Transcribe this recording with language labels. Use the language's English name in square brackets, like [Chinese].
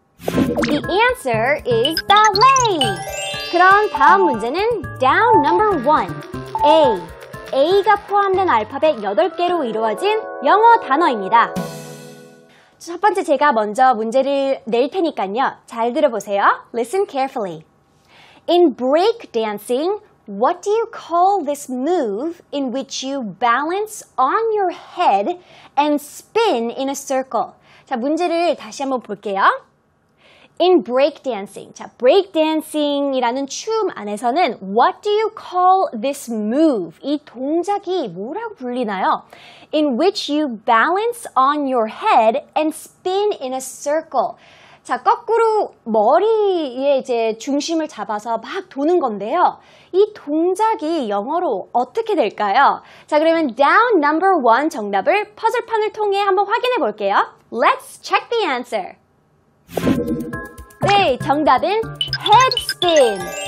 [English] The answer is ballet. [Korean] 그럼 다음 문제는 [English] down number 1. A. [Korean] A가 포함된 알파벳 8개로 이루어진 영어 단어입니다. 첫 번째 제가 먼저 문제를 낼 테니까요. 잘 들어보세요. [English] Listen carefully. In break dancing, what do you call this move in which you balance on your head and spin in a circle? [Korean] 자, 문제를 다시 한번 볼게요. [English] In breakdancing, [Korean] 자, breakdancing이라는 춤 안에서는 [English] what do you call this move? [Korean] 이 동작이 뭐라고 불리나요? [English] In which you balance on your head and spin in a circle. [Korean] 자, 거꾸로 머리에 이제 중심을 잡아서 막 도는 건데요. 이 동작이 영어로 어떻게 될까요? 자, 그러면 down number one 정답을 퍼즐판을 통해 한번 확인해 볼게요. [English] Let's check the answer. [Korean] 네, 정답은 [English] head spin.